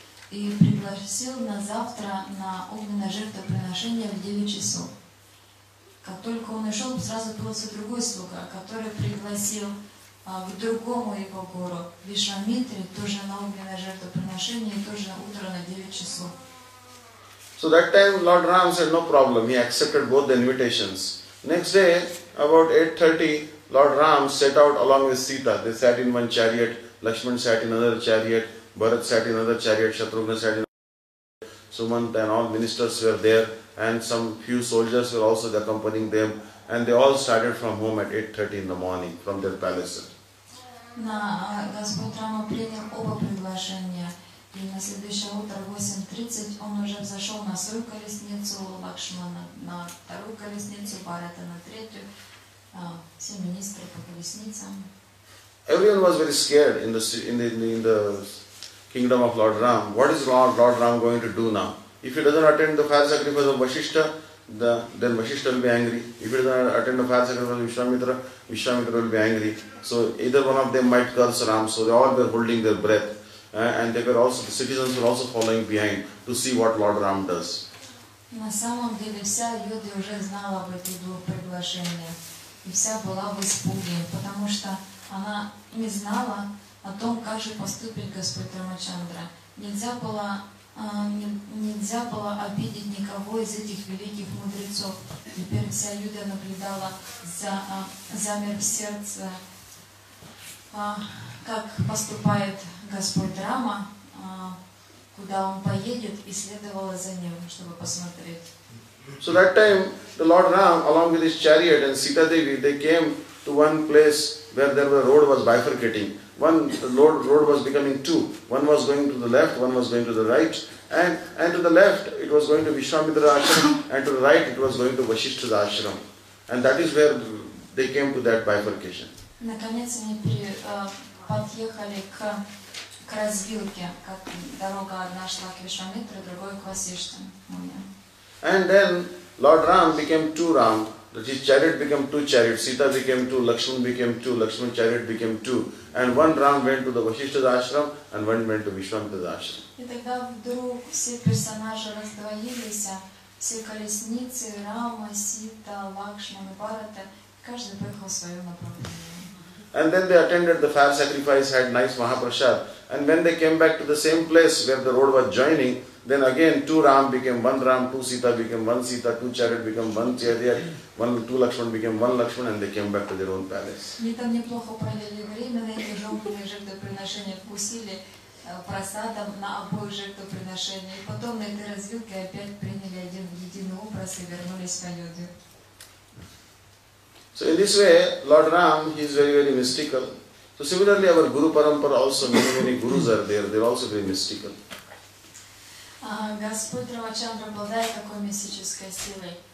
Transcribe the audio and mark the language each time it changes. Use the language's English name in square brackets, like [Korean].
[Russian] И пригласил на завтра на огненное жертвоприношение в 9 часов. Как только он ушел, сразу появился другой слуга, который пригласил к другому его гуру, Вишвамитре, тоже на огненное жертвоприношение, тоже на утро на 9 часов. [English] So that time Lord Ram said, no problem, he accepted both the invitations. Next day, about 8:30, Lord Ram set out along with Sita. They sat in one chariot, Lakshman sat in another chariot, Bharat sat in another chariot, Shatrughna sat in another chariot, Sumant and all ministers were there and some few soldiers were also accompanying them and they all started from home at 8:30 in the morning from their palace. [Russian] Господь Рама принял оба приглашения и на следующее утро 8:30 он уже взошел на свою колесницу Лакшмана, на вторую колесницу Бхарата, на третью, все министры по колесницам. [English] Everyone was very scared in the kingdom of Lord Ram. What is Lord Ram going to do now? If he doesn't attend the fire sacrifice of Vasishtha, then Vasishtha will be angry. If he doesn't attend the fire sacrifice of Vishwamitra, Vishwamitra will be angry. So either one of them might curse Ram. So they all were holding their breath. And they were also, the citizens were also following behind to see what Lord Ram does. [Russian] На самом деле вся Юда уже знала об этих двух приглашениях. И вся была в испуге, потому что она не знала о том, как же поступит Господь Рамачандра. Нельзя было обидеть никого из этих великих мудрецов. Теперь вся Юда наблюдала замер в сердце, как поступает Господь Рама. Куда он поедет и следовала за ним, чтобы посмотреть. [English] So that time the Lord Ram along with his chariot and Sita Devi, they came to one place where there were road was bifurcating. One road was becoming two. One was going to the left, one was going to the right. And to the left it was going to Vishwamitra ashram and to the right it was going to Vasishtha's ashram. And that is where they came to that bifurcation. [Russian] Наконец они подъехали к к развилке, как дорога одна шла к Вишвамитре, другой к Васиштхе. [English] And then Lord Ram became two Ram, that his chariot became two chariots, Sita became two, Lakshman became two, Lakshman chariot became two, and one Ram went to the Vasishtha's ashram and one went to Vishwamitra's ashram. [Russian] И тогда вдруг все персонажи раздвоились, все колесницы, Рама, Сита, Лакшман и Барата, каждый поехал в свое направление. [English] And then they attended the fire sacrifice, had nice Mahaprasad. And when they came back to the same place where the road was joining, then again two Ram became one Ram, two Sita became one Sita, two chariot became one chariot, two Lakshman became one Lakshman, and they came back to their own palace. [Russian] Они там неплохо провели время на этих жертвенных жертвоприношениях, вкусили просадом на обоих жертвоприношениях. Потом на этой развилке опять приняли один единый образ и вернулись в Аюдхю. [English] So in this way, Lord Ram, he is very, very mystical. So similarly, our Guru Parampara also, many, many Gurus are there, they are also very mystical. [Russian] Господь Рамачандра обладает такой мистической силой.